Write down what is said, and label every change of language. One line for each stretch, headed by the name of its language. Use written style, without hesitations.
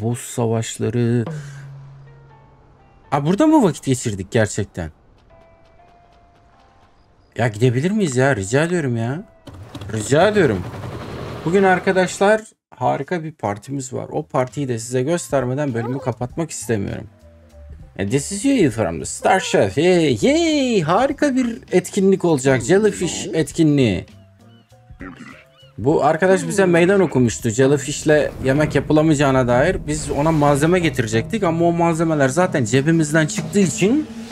Turkish: Boss savaşları. Burada mı vakit geçirdik gerçekten? Ya gidebilir miyiz ya? Rica ediyorum ya. Rica ediyorum. Bugün arkadaşlar harika bir partimiz var. O partiyi de size göstermeden bölümü kapatmak istemiyorum.
English: This is you from the Star Chef. Yay!
Turkish: Harika bir etkinlik olacak. Jellyfish etkinliği. Bu arkadaş bize meydan okumuştu. Jellyfish'le yemek yapılamayacağına dair. Biz ona malzeme getirecektik ama o malzemeler zaten cebimizden çıktığı için.